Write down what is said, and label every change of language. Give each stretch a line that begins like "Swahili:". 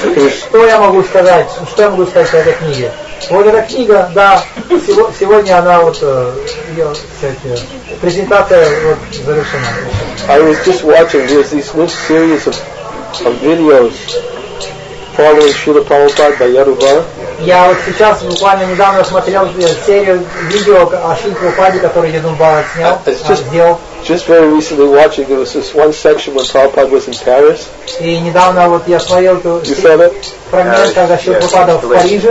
Russian: Что я могу сказать о этой книге? Вот эта книга, да, сегодня она вот ее кстати, презентация вот завершена.
English: I was just watching, there was this new series of videos following Srila Prabhupada by Yadubara.
Russian: Я вот сейчас буквально недавно смотрел серию видео о Шриле Прабхупаде, который Ядубара сделал.
English: Just very recently watching, it was this one section when Prabhupada was in Paris.
Russian: И недавно вот я смотрел ту фрагмент, когда Шрила Прабхупада в Париже.